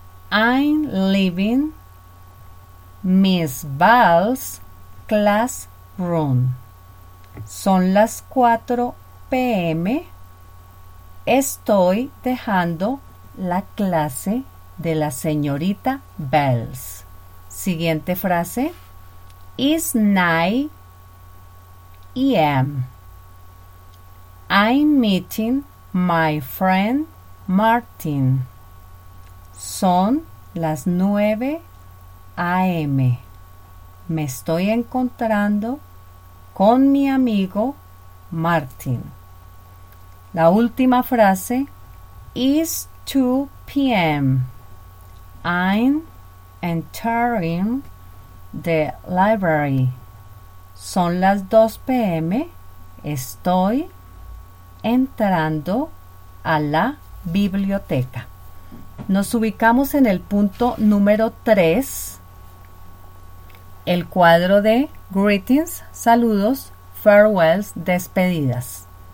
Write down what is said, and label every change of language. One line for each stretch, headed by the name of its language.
English: I'm leaving Miss Ball's classroom.
Spanish: Son las 4 p.m. Estoy dejando la clase de la señorita Bells. Siguiente frase.
English: It's 9 a.m. I'm meeting my friend Martin.
Spanish: Son las 9 a.m. Me estoy encontrando con mi amigo Martin. La última frase.
English: It's 2 p.m. I'm entering the library.
Spanish: Son las 2 p.m. Estoy entrando a la biblioteca. Nos ubicamos en el punto número 3. El cuadro de greetings, saludos, farewells, despedidas.